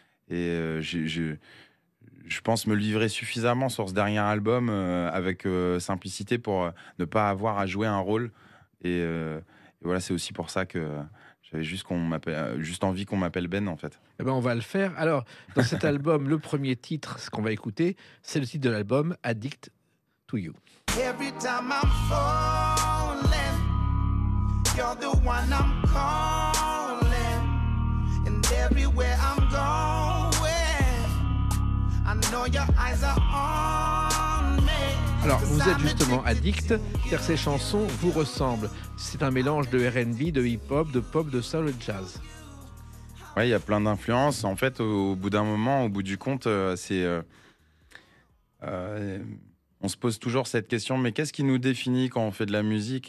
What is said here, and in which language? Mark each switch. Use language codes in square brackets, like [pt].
[fr] Et je pense me livrer suffisamment sur ce dernier album avec simplicité pour ne pas avoir à jouer un rôle Et voilà, c'est aussi pour ça que j'avais juste, juste envie qu'on m'appelle Ben, en fait. Eh ben, on va le faire. Alors, dans cet album, le premier titre, ce qu'on va écouter, c'est le titre de l'album, Addict to You. [en] Every time I'm falling, you're the one I'm calling. And everywhere I'm going, I know your eyes are on me. [fr] Alors, vous êtes justement addict, car ces chansons vous ressemblent. C'est un mélange de R&B, de hip-hop, de pop, de soul et de jazz. Ouais, il y a plein d'influences. En fait, au bout d'un moment, au bout du compte, c'est... on se pose toujours cette question, mais qu'est-ce qui nous définit quand on fait de la musique ?